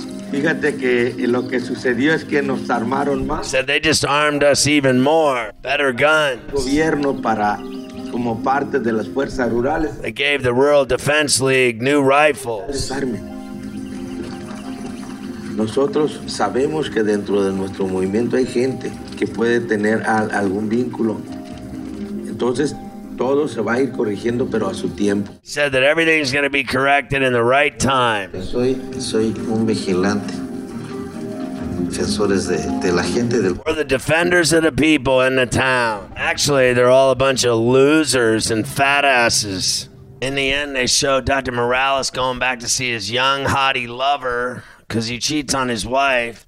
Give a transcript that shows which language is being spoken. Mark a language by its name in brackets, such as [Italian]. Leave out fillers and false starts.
[Spanish] Fíjate que lo que sucedió es que nos armaron más. [English] Said they just armed us even more. Better guns. [Spanish] Gobierno para, como parte de las fuerzas rurales. [English] They gave the Rural Defense League new rifles. [Spanish] Nosotros sabemos que dentro de nuestro movimiento hay gente que puede tener algún vínculo. Entonces, todo se va a ir corrigiendo, pero a su tiempo. [English] Said that everything's going to be corrected in the right time. [Spanish] Soy un vigilante. Defensores de la gente del... [English] We're the defenders of the people in the town. Actually, they're all a bunch of losers and fat asses. In the end, they show Dr. Morales going back to see his young hottie lover, because he cheats on his wife.